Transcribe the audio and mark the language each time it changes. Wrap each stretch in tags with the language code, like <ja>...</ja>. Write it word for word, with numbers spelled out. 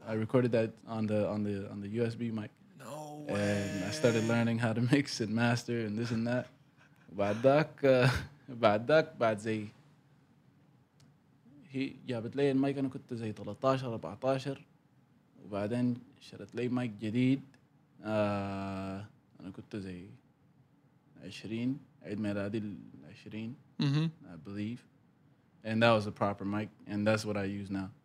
<en>I recorded that on the on the on the U S B mic, no and I started learning how to mix and master and this and that.</en> <ar>بعد ذاك آه، بعد ذاك بعد زي هي جابت لي المايك انا كنت زي تلتاشر اربعتاشر، وبعدين شرت لي مايك جديد. آه انا كنت زي عشرين، عيد ميلادي العشرين اها</ar> <en>I believe, and that was a proper mic and that's what I use now.</en>